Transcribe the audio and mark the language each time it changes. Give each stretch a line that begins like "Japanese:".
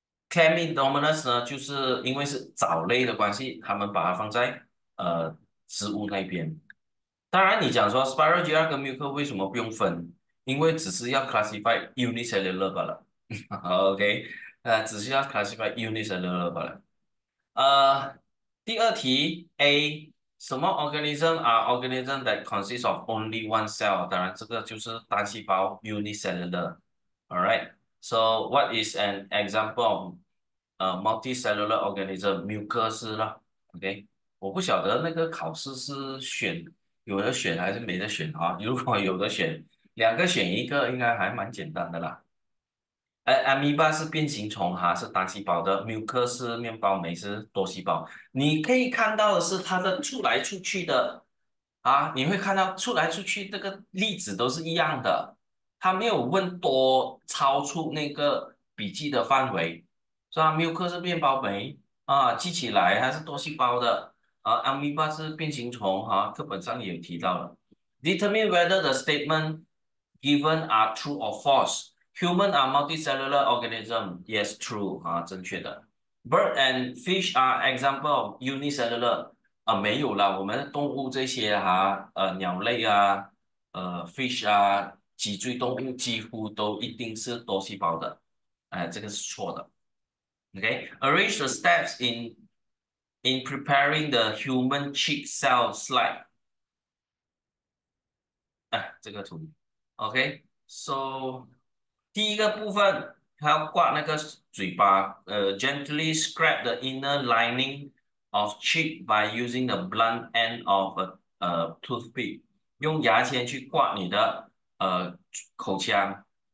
Chinese: Chlamydomonas 呢，就是因为是藻类的关系，他们把它放在植物那边。当然，你讲说 Sporozoa 跟 Mucus 为什么不用分？因为只是要
English: classify unicellular
Chinese: 了 ，OK，只需要 classify unicellular 了。第二题
English: A，
Chinese: 什么
English: organism are organism that consists of only one cell？
Chinese: 当然，这个就是单细胞 unicellular。
English: All right，so what is an example of multicellular organism？
Chinese: Mucus 了，OK，我不晓得那个考试是选。有的选还是没得选啊？如果有的选，两个选一个，应该还蛮简单的啦。 Amoeba 是变形虫哈，是单细胞的；Mucus 是面包酶，是多细胞。你可以看到的是它的出来出去的啊，你会看到出来出去这个粒子都是一样的，它没有问多超出那个笔记的范围，是吧？Mucus 是面包酶啊，记起来它是多细胞的。 Amoeba 是变形虫哈，课本上也有提到了。
English: Determine whether the statement given are true or false. Human are multicellular organism. Yes, true
Chinese: 啊，正确的。
English: Bird and fish are example of unicellular.
Chinese: 没有了，我们动物这些哈，鸟类啊，fish 啊，脊椎动物几乎都一定是多细胞的。这个是错的。
English: OK，arrange the steps in preparing the human cheek cell slide，
Chinese: 这个图，
English: OK，so，
Chinese: 第一个部分，它要挂那个嘴巴，
English: gently scrape the inner lining of cheek by using the blunt end of a toothpick，
Chinese: 用牙签去挂你的口腔，